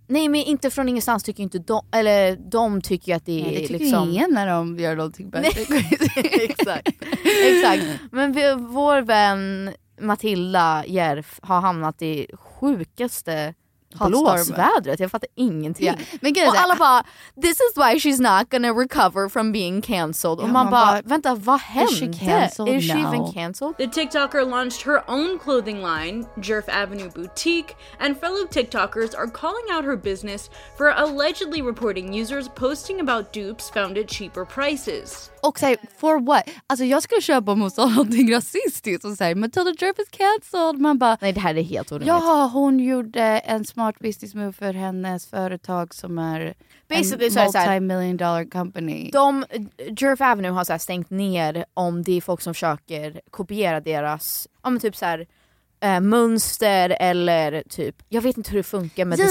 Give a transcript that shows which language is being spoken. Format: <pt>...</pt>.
<sv>Nej, men inte från ingenstans tycker inte de, eller de tycker att det är liksom... Nej, det tycker liksom... ingen när de gör någonting</sv> <en>bad shit</en> <sv>crazy. Exakt. Men vår vän Matilda Järf har hamnat i sjukaste... Blåsvädret, jag fattar ingenting. Yeah. Men och alla bara,</sv> <en>this is why she's not gonna recover from being cancelled.</en> <sv>Ja, och man bara, vänta, vad hände?</sv> <en>Is she cancelled? Is she even cancelled? The TikToker launched her own clothing line, Jerf Avenue Boutique, and fellow TikTokers are calling out her business for allegedly reporting users posting about dupes found at cheaper prices.</en> <sv>Och säger,</sv> <en>for what?</en> <sv>Alltså jag ska köpa om hon sa någonting rasistiskt och säger, Matilda Jerf</sv> <en>is cancelled.</en> <sv>Man bara, nej, det här är helt ordentligt. Ja, hon gjorde en</sv> <en>smart business move</en> <sv>för hennes företag som är</sv> <en>basically en multi-million dollar company.</en> <sv>Jerf Avenue har så här stängt ner om det är folk som försöker kopiera deras, om typ så här, mönster eller typ, jag vet inte hur det funkar med</sv>